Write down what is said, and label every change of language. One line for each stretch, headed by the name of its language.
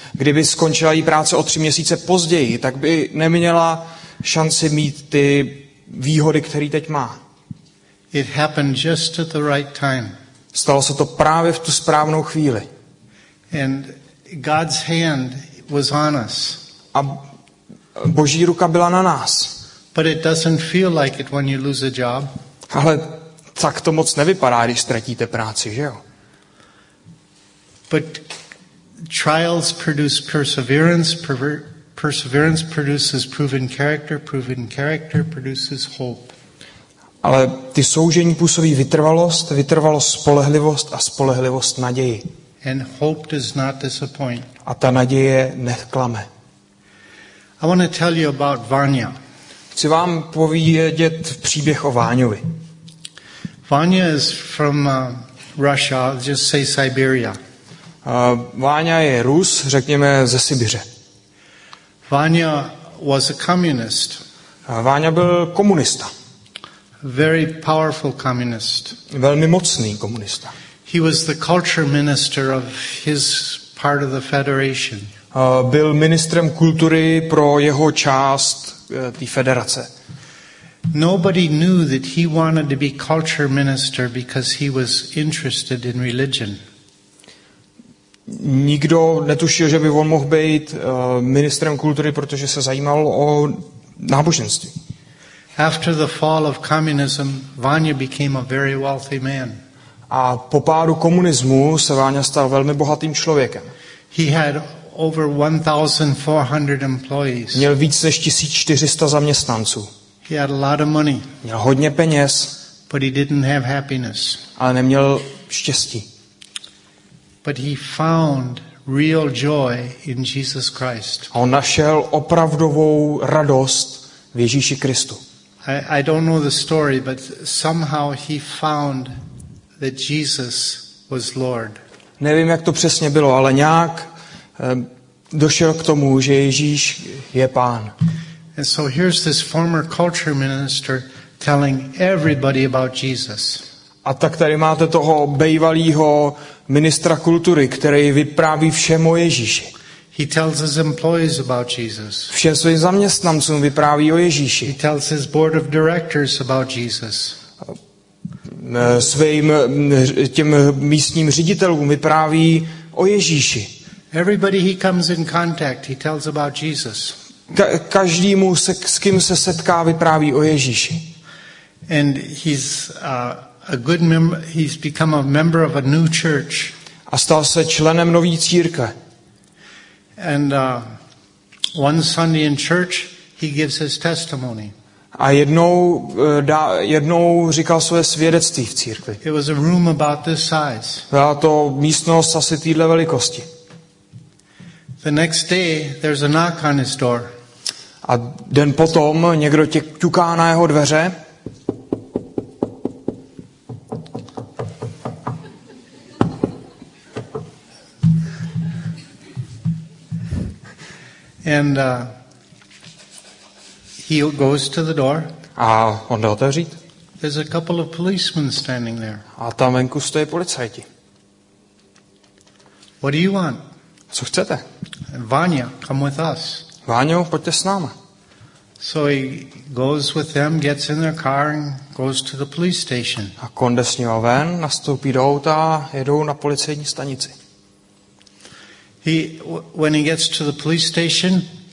Czech: Kdyby skončila její práce o 3 měsíce později, tak by neměla šanci mít ty výhody, které teď má.
English: It happened just at the right time.
Czech: Stalo se to právě v tu správnou chvíli.
English: And God's hand was on us.
Czech: A Boží ruka byla na nás.
English: But it doesn't feel like it when you lose a job.
Czech: Ale tak to moc nevypadá, když ztratíte práci, že jo?
English: But trials produce perseverance. Perseverance produces proven character. Proven character produces hope.
Czech: Ale ty soužení působí vytrvalost, vytrvalost spolehlivost a spolehlivost naději.
English: And hope does not disappoint.
Czech: A ta naděje neklame.
English: I want to tell you about Vanya.
Czech: Chci vám povědět příběh o Váňovi.
English: Vanya is from Russia, just say Siberia.
Czech: Váňa je Rus, řekněme ze Sibiře.
English: Vanya was a communist.
Czech: Váňa byl komunista.
English: Very powerful communist.
Czech: Velmi mocný komunista.
English: He was the culture minister of his part of the federation.
Czech: Byl ministrem kultury pro jeho část té federace.
English: Nobody knew that he wanted to be culture minister because he was interested in religion.
Czech: Nikdo netušil, že by on mohl být ministrem kultury, protože se zajímal o náboženství.
English: After the fall of communism, Vanya became a very wealthy man.
Czech: A po pádu komunismu se Vanya stal velmi bohatým člověkem.
English: He had over 1400 employees.
Czech: Měl víc než 1400 zaměstnanců.
English: He had a lot of money.
Czech: Měl hodně peněz.
English: But he didn't have happiness.
Czech: Ale neměl štěstí.
English: But he found real joy in Jesus Christ.
Czech: A on našel opravdovou radost v Ježíši Kristu.
English: I don't know the story, but somehow he found that Jesus was Lord.
Czech: Nevím, jak to přesně bylo, ale nějak došel k tomu, že Ježíš je Pán.
English: And so here's this former culture minister telling everybody about Jesus.
Czech: A tak tady máte toho bývalého ministra kultury, který vypráví všem o Ježíši.
English: He tells his employees about Jesus.
Czech: Všem svým zaměstnancům vypráví o Ježíši.
English: He tells his board of directors about Jesus.
Czech: Svým těm místním ředitelům vypráví o Ježíši.
English: Everybody he comes in contact, he tells about Jesus.
Czech: Každému, s kým se setká, vypráví o Ježíši.
English: And he's a good member, he's become a member of a new church.
Czech: A stal se členem nové církve.
English: And one Sunday in church he gives his testimony.
Czech: A jednou říkal své svědectví v církvi.
English: It was a room about this size.
Czech: Byla to místnost asi téhle velikosti.
English: The next day there's a knock on his door.
Czech: A den potom někdo ťuká na jeho dveře.
English: And he goes to the door.
Czech: A on jde otevřít.
English: There's a couple of policemen standing there.
Czech: A tam venku stojí policajti.
English: What do you want?
Czech: Co chcete?
English: Vanya, come with us.
Czech: Váňo, pojďte s náma.
English: So he goes with them, gets in their car and goes to the police station.
Czech: A konde s ním ven, nastoupí do auta, jedou na policejní stanici.
English: He, when he gets to the police station,